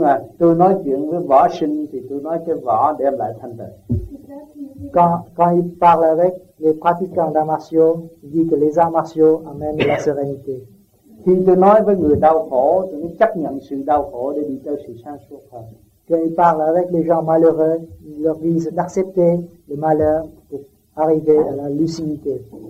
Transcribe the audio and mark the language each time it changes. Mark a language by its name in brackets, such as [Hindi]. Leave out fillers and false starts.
[Vietnamese] mà tôi nói chuyện với võ sinh thì tôi nói cho võ đem lại thanh tịnh. [French] Quand il parle avec les pratiquants d'arts martiaux, il dit que les arts martiaux amènent la sérénité. [Vietnamese] Khi tôi nói với người đau khổ, tôi mới chấp nhận sự đau khổ để đi tới sự sáng suốt hơn. [French] Quand il parle avec les gens malheureux, il leur dit d'accepter le malheur pour arriver à la lucidité.